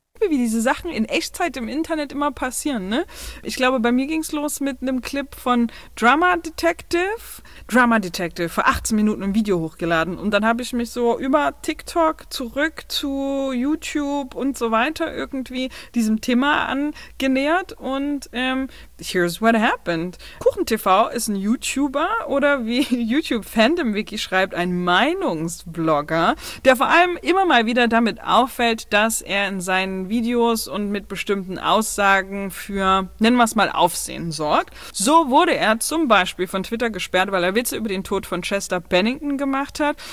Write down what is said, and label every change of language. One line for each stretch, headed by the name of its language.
German: Wie diese Sachen in Echtzeit im Internet immer passieren, ne? Ich glaube, bei mir ging es los mit einem Clip von Drama Detective, vor 18 Minuten ein Video hochgeladen. Und dann habe ich mich so über TikTok zurück zu YouTube und so weiter irgendwie diesem Thema angenähert.
English: Und here's what happened.
German: KuchenTV ist ein YouTuber oder wie YouTube Fandom Wiki schreibt, ein Meinungsblogger, der vor allem immer mal wieder damit auffällt, dass er in seinen Videos und mit bestimmten Aussagen für, nennen wir es mal, Aufsehen sorgt. So wurde er zum Beispiel von Twitter gesperrt, weil er Witze über den Tod von Chester Bennington gemacht hat.